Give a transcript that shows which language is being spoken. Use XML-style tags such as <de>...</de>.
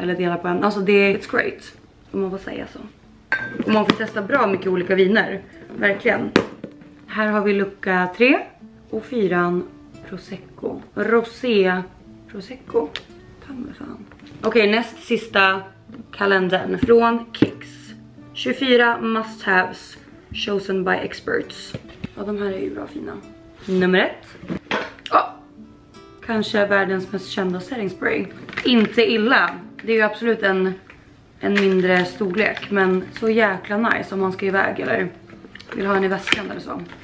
<sv>Eller dela på en. Alltså det är</sv> <en>it's great.</en> <sv>Om man får säga så. Och man får testa bra mycket olika viner. Verkligen. Här har vi lucka 3. Och 4:an. Prosecco. Rosé. Prosecco. Fan. Okej, näst sista kalendern från Kix.</sv> <en>24 must haves chosen by experts.</en> <sv>Ja, de här är ju bra fina. Nummer 1. Oh, kanske världens mest kända setting spray. Inte illa. Det är ju absolut en mindre storlek. Men så jäkla nice om man ska iväg eller vill ha en i väskan eller så.</sv>